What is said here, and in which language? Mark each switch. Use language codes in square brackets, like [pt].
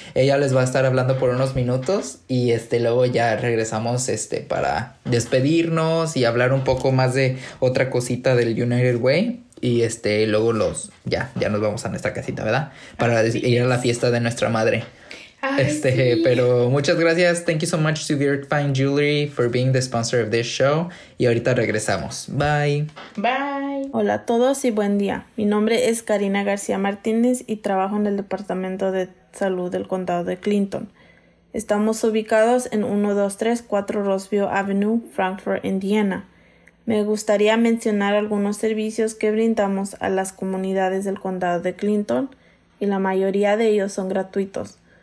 [es] Ella les va a estar hablando por unos minutos y luego ya regresamos para despedirnos y hablar un poco más de otra cosita del United Way. Y luego ya nos vamos a nuestra casita, ¿verdad? Para ir a la fiesta de nuestra madre. Pero muchas gracias. [en] Thank you so much to Vierk Fine Jewelry for being the sponsor of this show. [es] Y ahorita regresamos. Bye. Hola a todos y buen día. Mi nombre es Karina García Martínez y trabajo en el Departamento de Salud del Condado de Clinton. Estamos ubicados en 123 4 Roseville Avenue, Frankfort, Indiana. Me gustaría mencionar algunos servicios que brindamos a las comunidades del condado de Clinton, y la mayoría de ellos son gratuitos.